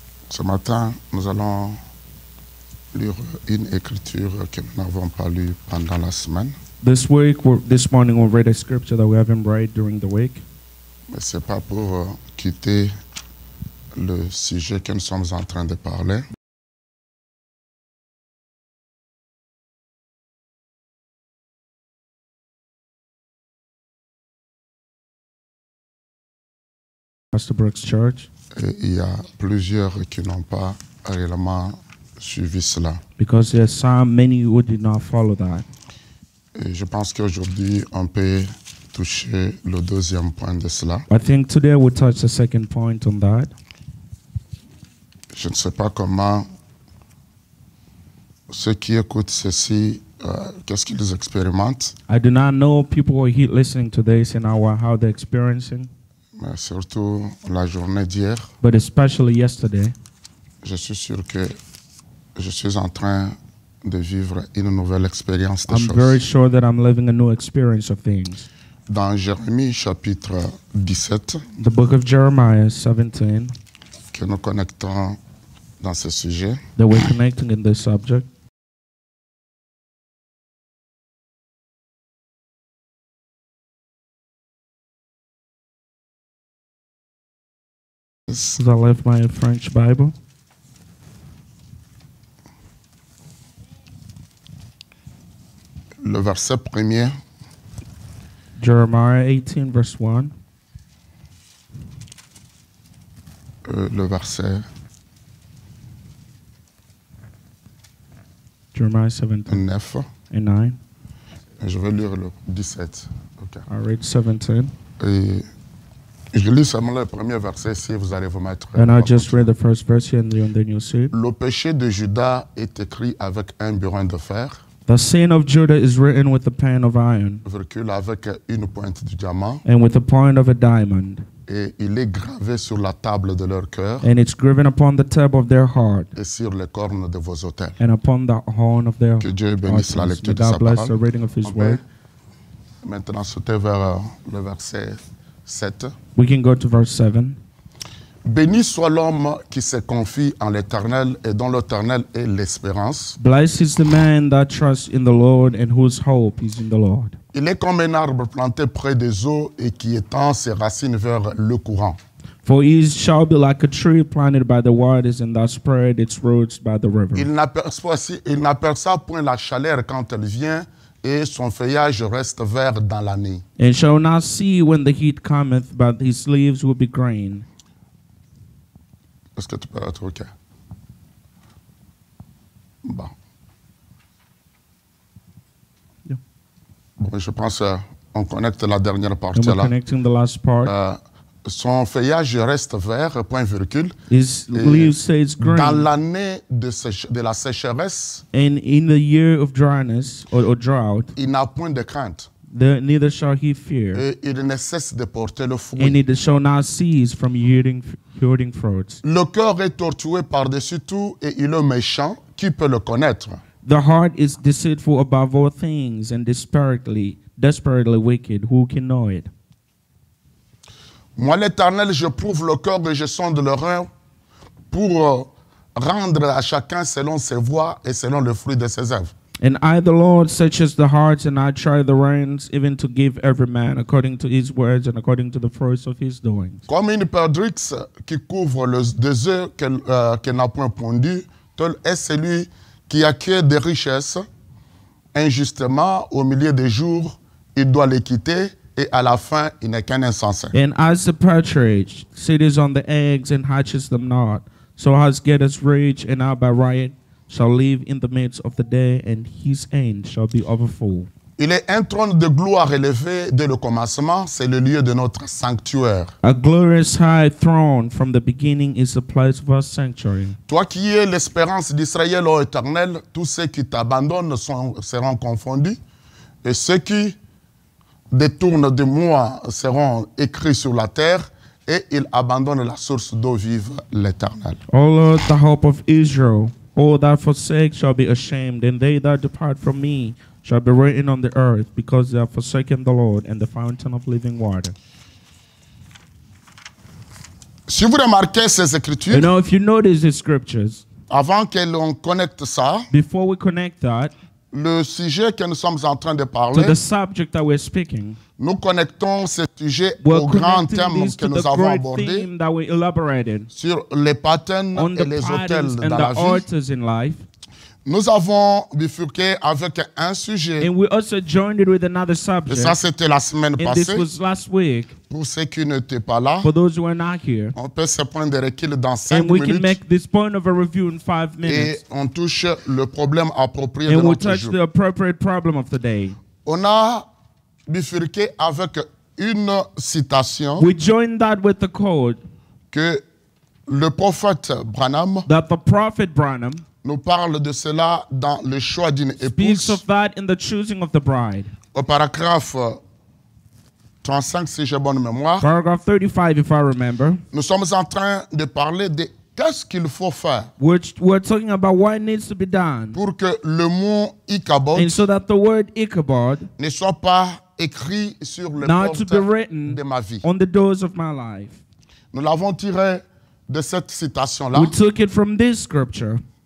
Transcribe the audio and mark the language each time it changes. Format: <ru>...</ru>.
<fr>Ce matin, nous allons lire une écriture que nous n'avons pas lue pendant la semaine.</fr> <en>This morning, we'll read a scripture that we haven't read during the week.</en> <fr>Mais c'est pas pour quitter le sujet que nous sommes en train de parler.</fr> <en>Pastor Brooks Church.</en> <fr>Et il y a plusieurs qui n'ont pas réellement suivi cela.</fr> <en>Because there are some many who did not follow that.</en> <fr>Et je pense qu'aujourd'hui on peut toucher le deuxième point de cela.</fr> <en>I think today we'll touch the second point on that.</en> <fr>Je ne sais pas comment ceux qui écoutent ceci, qu'est-ce qu'ils expérimentent.</fr> <en>I do not know people who are listening to this and how they're experiencing.</en> <fr>Mais surtout la journée d'hier.</fr> <en>But especially yesterday.</en> <fr>Je suis sûr que je suis en train de vivre une nouvelle expérience de choses.</fr> <en>I'm very sure that I'm living a new experience of things.</en> <fr>Dans Jérémie chapitre 17.</fr> <en>The book of Jeremiah 17.</en> <fr>Que nous connectons dans ce sujet.</fr> <en>That we're connecting in this subject. I left my French Bible.</en> <fr>Le verset premier.</fr> <en>Jeremiah 18, verse 1.</en> <fr>Le verset.</fr> <en>Jeremiah 17. 9. And 9.</en> <fr>Et je vais lire le 17. Okay.</fr> <en>I read 17.</en> <fr>Je lis seulement le premier verset ici, vous allez vous mettre.</fr> <en>And I just read the first verse here, and then you'll see.</en> <fr>Le péché de Judas est écrit avec un burin de fer.</fr> <en>The sin of Judah is written with a pen of iron.</en> <fr>Virgule avec une pointe de diamant.</fr> <en>And with a point of a diamond.</en> <fr>Et il est gravé sur la table de leur cœur.</fr> <en>And it's graven upon the table of their heart.</en> <fr>Et sur les cornes de vos autels.</fr> <en>And upon the horn of their.</en> <fr>Que Dieu bénisse la lecture de sa parole.</fr> <en>May God bless the reading of His word.</en> <fr>Maintenant, sautez vers le verset. 7.</fr> <en>We can go to verse 7.</en> <fr>Béni soit l'homme qui se confie en l'Éternel et dont l'Éternel est l'espérance.</fr> <en>Blessed is the man that trusts in the Lord and whose hope is in the Lord.</en> <fr>Il est comme un arbre planté près des eaux et qui étend ses racines vers le courant.</fr> <en>For he shall be like a tree planted by the waters and that spread its roots by the river.</en> <fr>Il n'aperçoit point la chaleur quand elle vient. Et son feuillage reste vert dans l'année.</fr> <en>And shall not see when the heat cometh, but his leaves will be green.</en> <fr>Est-ce que tu peux être OK? Bon.</fr> <en>Yeah.</en> <fr>Bon, je pense qu'on connecte la dernière partie là.</fr> <en>We're connecting the last part.</en> <fr>Son feuillage reste vert, point virgule.</fr> <en>His leaves say it's green.</en> <fr>Dans l'année de la sécheresse.</fr> <en>And in the year of dryness or drought.</en> <fr>Il n'a point de crainte.</fr> <en>neither shall he fear.</en> <fr>Et il ne cesse de porter le fruit.</fr> <en>And it shall not cease from yielding fruits.</en> <fr>Le cœur est tortué par-dessus tout et il est méchant. Qui peut le connaître?</fr> <en>The heart is deceitful above all things and desperately wicked. Who can know it?</en> <fr>Moi, l'Éternel, je prouve le cœur et je sonde le rein pour rendre à chacun selon ses voies et selon le fruit de ses œuvres.</fr> <en>And I, the Lord, search the hearts, and I try the reins, even to give every man according to his words and according to the fruits of his doings.</en> <fr>Comme une perdrix qui couvre le désert qu'elle n'a point pondu, tel est celui qui acquiert des richesses injustement au milieu des jours, il doit les quitter. Et à la fin, il n'est qu'un insensé.</fr> <en>And as the partridge sits on the eggs and hatches them not, so has gathered rich and out by riot, shall live in the midst of the day, and his end shall be overfull.</en> <fr>Il est un trône de gloire élevé dès le commencement, c'est le lieu de notre sanctuaire.</fr> <en>A glorious high throne from the beginning is the place of our sanctuary.</en> <fr>Toi qui es l'espérance d'Israël, ô Éternel, tous ceux qui t'abandonnent seront confondus, et ceux qui des tournes de moi seront écrits sur la terre et ils abandonnent la source d'eau vive, l'Éternel.</fr> <en>O Lord, the hope of Israel, all that forsake shall be ashamed, and they that depart from me shall be written on the earth, because they have forsaken the Lord and the fountain of living water.</en> <fr>Si vous remarquez ces écritures,</fr> <en>you know, if you notice these scriptures,</en> <fr>avant que l'on connecte ça,</fr> <en>before we connect that,</en> <fr>le sujet que nous sommes en train de parler,</fr> <en>speaking,</en> <fr>nous connectons ce sujet au grand thème que nous avons abordé sur les patterns et les hôtels dans la vie.</fr> <en>In life.</en> <fr>Nous avons bifurqué avec un sujet.</fr> <en>And we also joined it with another subject.</en> <fr>Et ça, c'était la semaine</fr> <en>and</en> <fr>passée.</fr> <en>This was last week.</en> <fr>Pour ceux qui n'étaient pas là,</fr> <en>for those who are not here,</en> <fr>on peut se prendre de recul dans 5 minutes.</fr> <en>And we can make this point of a review in 5 minutes.</en> <fr>Et on touche le problème approprié</fr> <en>and</en> <fr>de</fr> <en>we</en> <fr>notre</fr> <en>touch</en> <fr>jour.</fr> <en>The appropriate problem of the day.</en> <fr>On a bifurqué avec une citation.</fr> <en>We joined that with the quote</en> <fr>que le prophète Branham,</fr> <en>that the prophet Branham</en> <fr>nous parle de cela dans le choix d'une épouse.</fr> <en>Speaks of that in the choosing of the bride.</en> <fr>Au paragraphe 35, si j'ai bonne mémoire.</fr> <en>Paragraph 35, if I remember.</en> <fr>Nous sommes en train de parler de qu'est-ce qu'il faut faire.</fr> <en>We're talking about what needs to be done.</en> <fr>Pour que le mot Ichabod.</fr> <en>And so that the word Ichabod.</en> <fr>Ne soit pas écrit sur le porte de ma vie.</fr> <en>On the doors of my life.</en> <fr>Nous l'avons tiré de cette citation-là.</fr> <en>We took it from this scripture.</en>